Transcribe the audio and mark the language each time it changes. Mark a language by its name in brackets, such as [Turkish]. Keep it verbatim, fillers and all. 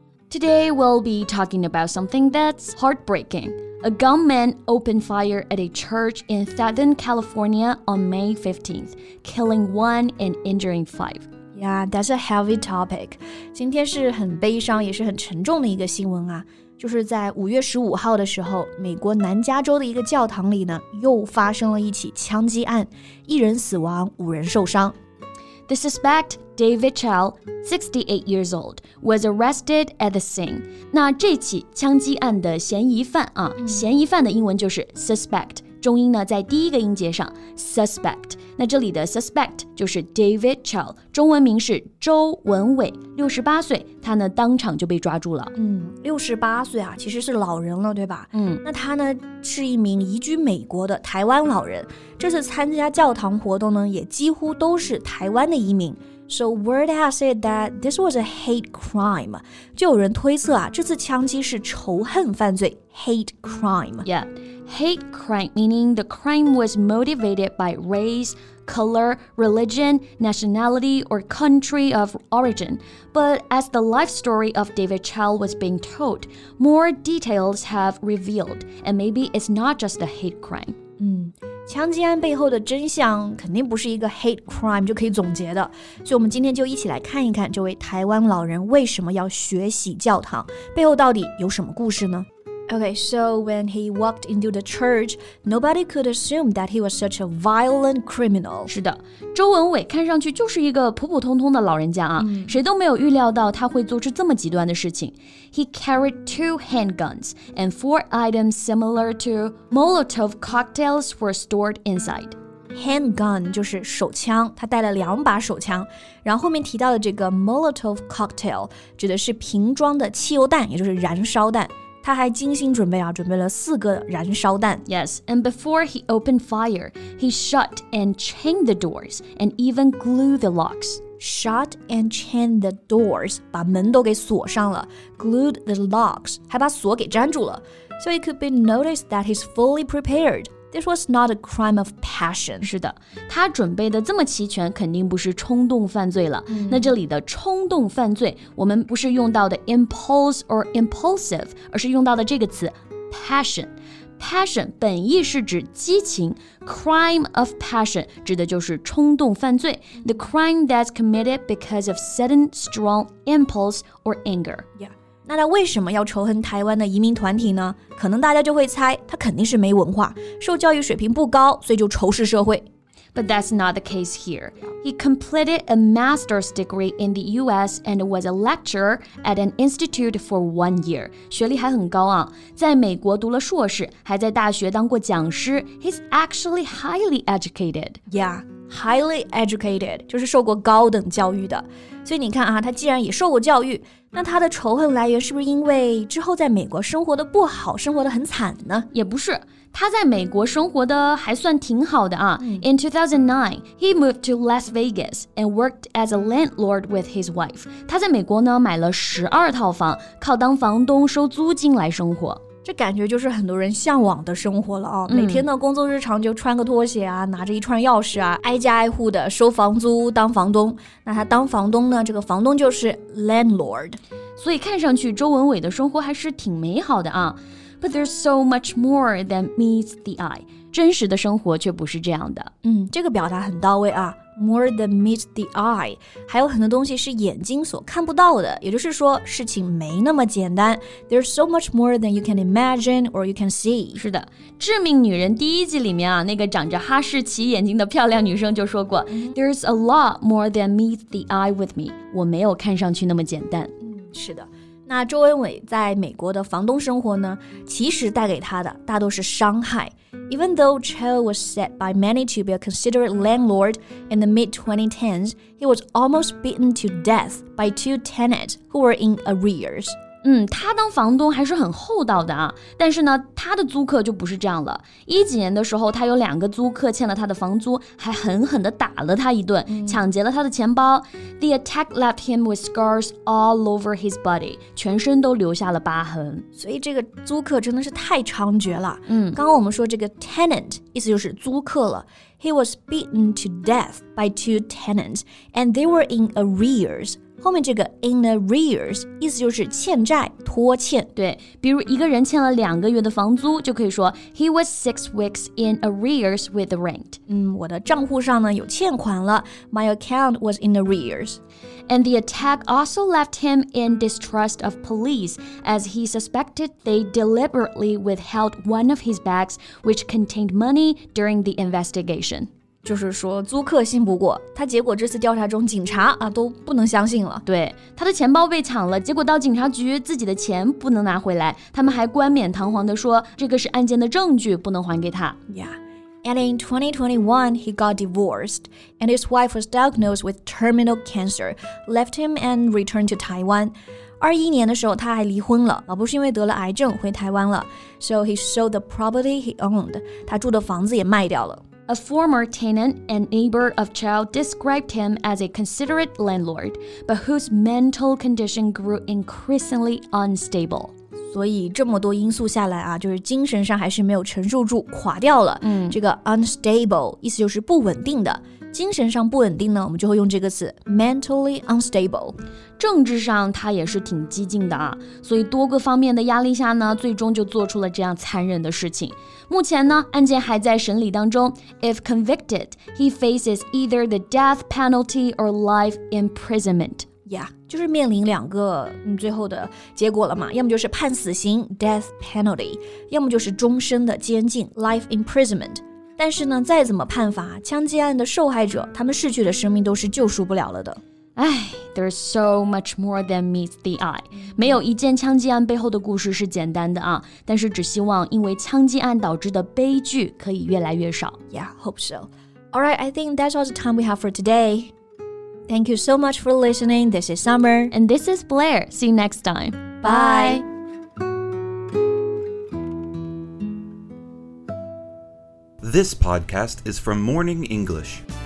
[English] Today we'll be talking about something that's heartbreaking. A gunman opened fire at a church in Southern California on May fifteenth, killing one and injuring five. Yeah, that's a heavy topic. [Chinese] 今天是很悲伤也是很沉重的一个新闻啊。就是在五月十五号的时候，美国南加州的一个教堂里呢，又发生了一起枪击案，一人死亡，五人受伤。 [English] The suspect, David Chow, sixty-eight years old, was arrested at the scene. [Chinese] 那这起枪击案的嫌疑犯啊，嗯、嫌疑犯的英文就是 suspect， 中音呢在第一个音节上 ，suspect。那这里的 suspect 就是 David Chow， 中文名是周文伟，六十八岁，他呢当场就被抓住了。嗯，六十八岁啊，其实是老人了，对吧？嗯，那他呢是一名移居美国的台湾老人，这次参加教堂活动呢也几乎都是台湾的移民。 [English] So word has it that this was a hate crime. [Chinese] 就有人推测啊，这次枪击是仇恨犯罪 ，hate crime. [English] Yeah, hate crime meaning the crime was motivated by race, color, religion, nationality, or country of origin. But as the life story of David Chow was being told, more details have revealed, and maybe it's not just a hate crime. [Chinese] 嗯。枪击案背后的真相肯定不是一个 hate crime 就可以总结的，所以我们今天就一起来看一看这位台湾老人为什么要学习教堂，背后到底有什么故事呢？ [English] Okay, so when he walked into the church, nobody could assume that he was such a violent criminal. [Chinese] 是的，周文伟看上去就是一个普普通通的老人家啊，嗯、谁都没有预料到他会做出这么极端的事情。 [English] He carried two handguns and four items similar to Molotov cocktails were stored inside. [Chinese] Handgun 就是手枪，他带了两把手枪，然后后面提到的这个 Molotov cocktail 指的是瓶装的汽油弹，也就是燃烧弹。他还精心准备啊，准备了四个燃烧弹。 [English] Yes, and before he opened fire, he shut and chained the doors, and even glued the locks. Shut and chained the doors, [Chinese] 把门都给锁上了 ， [English] glued the locks, [Chinese] 还把锁给粘住了。 [English] So it could be noticed that he's fully prepared. This was not a crime of passion. [Chinese] 是的，他准备的这么齐全，肯定不是冲动犯罪了。嗯、那这里的冲动犯罪，我们不是用到的 impulse or impulsive， 而是用到的这个词 passion。 [English] Passion [Chinese] 本意是指激情 [English] ，crime of passion [Chinese] 指的就是冲动犯罪 [English] ，the crime that's committed because of sudden strong impulse or anger. Yeah. [Chinese] 那他为什么要仇恨台湾的移民团体呢？可能大家就会猜，他肯定是没文化，受教育水平不高，所以就仇视社会。 [English] But that's not the case here. He completed a master's degree in the U S and was a lecturer at an institute for one year. [Chinese] 学历还很高啊，在美国读了硕士，还在大学当过讲师。 [English] He's actually highly educated. Yeah. [Chinese] Highly educated 就是受过高等教育的，所以你看啊，他既然也受过教育，那他的仇恨来源是不是因为之后在美国生活的不好，生活的很惨呢？也不是，他在美国生活的还算挺好的啊。 [English] 嗯、In two thousand nine, he moved to Las Vegas and worked as a landlord with his wife. [Chinese] 他在美国呢买了十二套房，靠当房东收租金来生活。这感觉就是很多人向往的生活了啊！每天的工作日常就穿个拖鞋啊，拿着一串钥匙啊，挨家挨户的收房租当房东。那他当房东呢，这个房东就是 landlord。所以看上去周文伟的生活还是挺美好的啊。 [English] But there's so much more than meets the eye. [Chinese] 真实的生活却不是这样的。嗯，这个表达很到位啊。 [English] More than meets the eye. [Chinese] 还有很多东西是眼睛所看不到的，也就是说事情没那么简单。 [English] There's so much more than you can imagine or you can see. [Chinese] 是的，致命女人第一季里面啊，那个长着哈士奇眼睛的漂亮女生就说过 [English] There's a lot more than meets the eye with me. [Chinese] 我没有看上去那么简单。嗯，是的。那周文伟在美国的房东生活呢，其实带给他的大多是伤害。 [English] Even though Chow was said by many to be a considerate landlord in the mid twenty tens, he was almost beaten to death by two tenants who were in arrears. [Chinese] 嗯，他当房东还是很厚道的啊，但是呢，他的租客就不是这样了。一几年的时候，他有两个租客欠了他的房租，还狠狠地打了他一顿，嗯、抢劫了他的钱包。 [English] The attack left him with scars all over his body， [Chinese] 全身都留下了疤痕。所以这个租客真的是太猖獗了。嗯，刚刚我们说这个 tenant 意思就是租客了。 [English] He was beaten to death by two tenants, and they were in arrears. [Chinese] 后面这个 in arrears 意思就是欠债拖欠，对，比如一个人欠了两个月的房租，就可以说 [English] He was six weeks in arrears with the rent. [Chinese] 嗯，我的账户上呢有欠款了 [English] My account was in arrears. And the attack also left him in distrust of police, as he suspected they deliberately withheld one of his bags, which contained money during the investigation. [Chinese] 就是说租客信不过他，结果这次调查中警察啊都不能相信了。对，他的钱包被抢了，结果到警察局自己的钱不能拿回来，他们还冠冕堂皇地说这个是案件的证据，不能还给他。 [English] Yeah, and in twenty twenty-one, he got divorced, and his wife was diagnosed with terminal cancer, left him and returned to Taiwan. [Chinese] 二一年的时候他还离婚了，老婆是因为得了癌症回台湾了。 [English] So he sold the property he owned, [Chinese] 他住的房子也卖掉了。 [English] A former tenant and neighbor of Chow described him as a considerate landlord, but whose mental condition grew increasingly unstable. [Chinese] 所以这么多因素下来啊，就是精神上还是没有承受住，垮掉了。嗯，这个 unstable 意思就是不稳定的。精神上不稳定呢，我们就会用这个词 mentally unstable。政治上他也是挺激进的啊，所以多个方面的压力下呢，最终就做出了这样残忍的事情。目前呢，案件还在审理当中。 [English] If convicted, he faces either the death penalty or life imprisonment. [Chinese] Yeah, 就是面临两个、嗯、最后的结果了嘛，要么就是判死刑 death penalty， 要么就是终身的监禁 life imprisonment。但是呢，再怎么判罚，枪击案的受害者，他们逝去的生命都是救赎不了了的。 [English] 唉 ，there's so much more than meets the eye。 [Chinese] 没有一件枪击案背后的故事是简单的啊，但是只希望因为枪击案导致的悲剧可以越来越少。 [English] Yeah, hope so. All right, I think that's all the time we have for today. Thank you so much for listening. This is Summer and this is Blair. See you next time. Bye. Bye. This podcast is from Morning English.